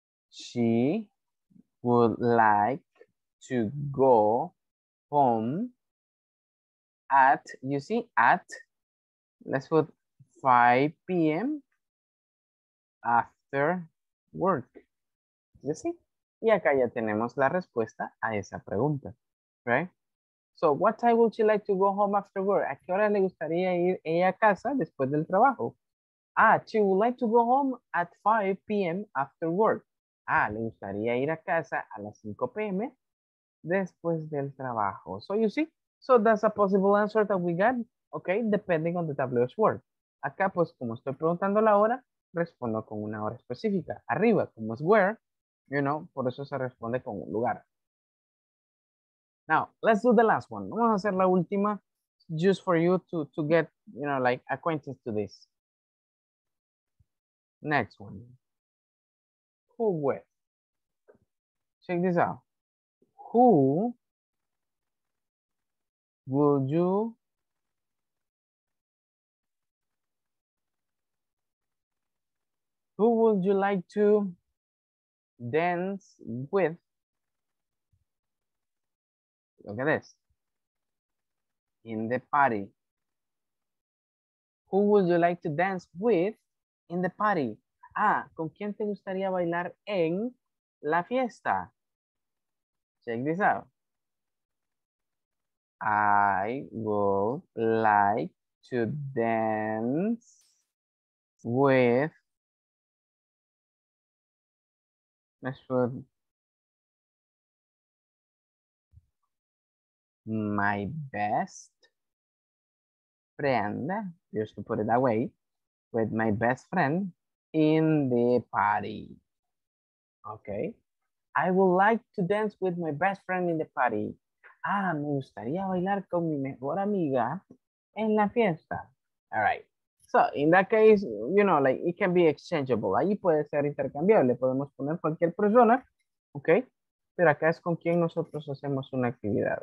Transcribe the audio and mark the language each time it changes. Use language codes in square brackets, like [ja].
[en] She would like to go home at, you see, at, let's put 5 p.m. after work. You see, [es] Y acá ya tenemos la respuesta a esa pregunta, right? [en] So, what time would she like to go home after work? [es] ¿A qué hora le gustaría ir ella a casa después del trabajo? [en] Ah, she would like to go home at 5 p.m. after work. [es] Ah, le gustaría ir a casa a las 5 p.m. después del trabajo. [en] So, you see? So, that's a possible answer that we got, okay? Depending on the WH word. [es] Acá, pues, como estoy preguntando la hora, respondo con una hora específica. Arriba, como es where, [en] you know, [es] por eso se responde con un lugar. [en] Now, let's do the last one. [es] Vamos a hacer la última [en] just for you to get, you know, like, acquainted to this. Next one. Who with? Check this out. Who would you like to dance with? Look at this. In the party. Who would you like to dance with in the party? [es] Ah, ¿con quién te gustaría bailar en la fiesta? [en] Check this out. I would like to dance with my best friend, just to put it that way, with my best friend in the party. Okay. I would like to dance with my best friend in the party. [es] Ah, me gustaría bailar con mi mejor amiga en la fiesta. [en] All right. So, in that case, you know, like, it can be exchangeable. [es] Ahí puede ser intercambiable. Podemos poner cualquier persona. Okay. Pero acá es con quien nosotros hacemos una actividad.